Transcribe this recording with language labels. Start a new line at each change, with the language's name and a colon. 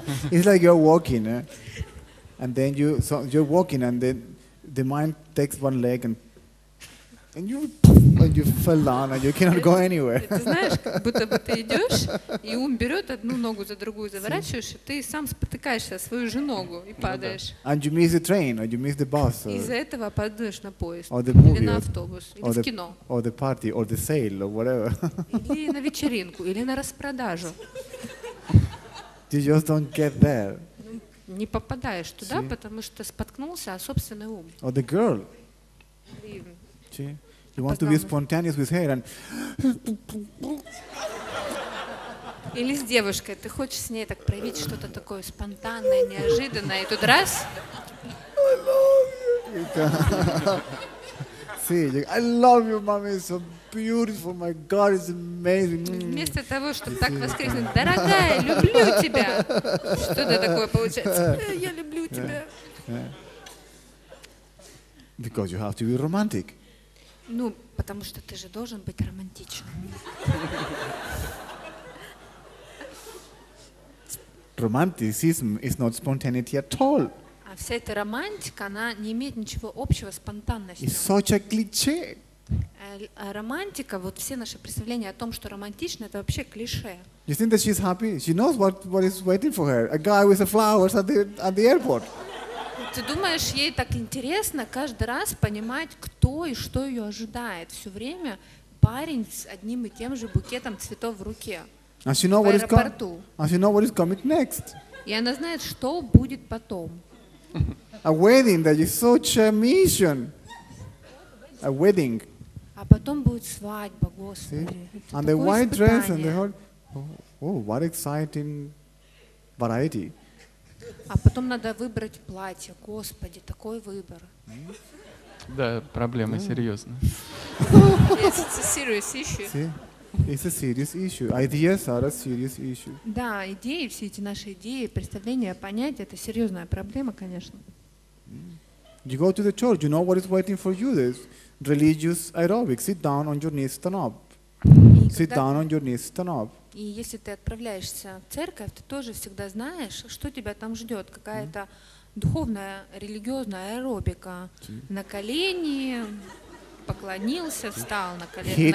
English: It's like you're walking, and then you, so you're walking, and then the mind takes one leg and you fell down and you cannot go anywhere.
Russian: Ты знаешь, как будто бы ты идешь, и ум берет одну ногу за другую, заворачиваешь, и ты сам спотыкаешься о свою же ногу и падаешь.
English: Yeah, and you miss the train, or you miss the bus.
Russian: Из-за этого падаешь на поезд,
English: or the movie,
Russian: или на автобус,
English: or
Russian: или в кино.
English: Or the party, or the sale, or whatever.
Russian: Или на вечеринку, или на распродажу.
English: You just don't get there.
Russian: Не попадаешь туда, потому что споткнулся о собственный ум.
English: Or the girl. You want to be spontaneous with her and.
Russian: Или с девушкой, ты хочешь с ней так проявить что-то такое спонтанное, неожиданное, и тут раз.
English: I love you. See, I love you, mommy. It's so beautiful. My God, it's amazing.
Russian: Вместо того, чтобы так воскреснуть, дорогая, люблю тебя. Что-то такое получается. Я люблю тебя.
English: Because you have to be romantic.
Russian: Ну, потому что ты же должен быть романтичным.
English: Romanticism is not spontaneity at all.
Russian: А вся эта романтика, она не имеет ничего общего с спонтанностью.
English: It's such a cliché.
Russian: Романтика, вот все наши представления о том, что романтично, это вообще клише.
English: You think that she's happy? She knows what is waiting for her. A guy with the flowers at the airport.
Russian: Ты думаешь, ей так интересно каждый раз понимать, кто и что ее ожидает. Все время парень с одним и тем же букетом цветов в руке.
English: And she knows what is coming. And she knows what is coming next.
Russian: И она знает, что будет потом.
English: A wedding that is such a mission. A wedding.
Russian: А потом будет свадьба, Господи.
English: And the white dress and the whole. Oh, what exciting variety.
Russian: А потом надо выбрать платье, Господи, такой выбор. Да, проблема серьезная.
English: It's a serious issue. See? It's a serious issue. Ideas are a serious issue.
Russian: Да, идеи, все эти наши идеи, представления, понятия, это серьезная проблема, конечно.
English: You go to the church, you know what is waiting for you, this religious aerobics. Sit down on your knees, stand up. Sit down on your knees, stand up.
Russian: И если ты отправляешься в церковь, ты тоже всегда знаешь, что тебя там ждет. Какая-то духовная, религиозная аэробика. На колени, поклонился, встал на колени.